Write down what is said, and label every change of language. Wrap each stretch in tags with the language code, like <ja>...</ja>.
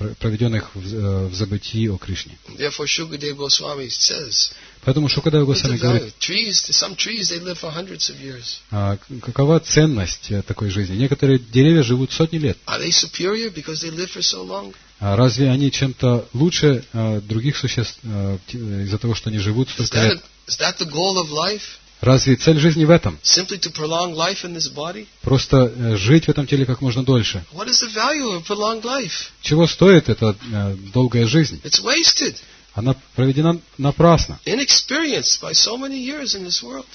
<ru>Проведенных в забытии о Кришне.</ru> <en>Therefore, Shukadeva Goswami says.</en> <ru>Поэтому Шукадева Госвами говорит.</ru> <en>Some trees they live for hundreds of years.</en> <ru>Какова ценность такой жизни? Некоторые деревья живут сотни лет.</ru> <en>Are they superior because they live for so long?</en> <ru>Разве они чем-то лучше других существ из-за того, что они живут столько лет?</ru> <en>Is that the goal of life?</en> <ru>Разве цель жизни в этом?</ru> <en>Simply to prolong life in this body?</en> <ru>Просто жить в этом теле как можно дольше.</ru> <en>What is the value of prolonged life?</en> <ru>Чего стоит эта долгая жизнь?</ru> <en>It's wasted.</en> <ru>Она проведена напрасно.</ru> <en>Inexperienced by so many years in this world.</en>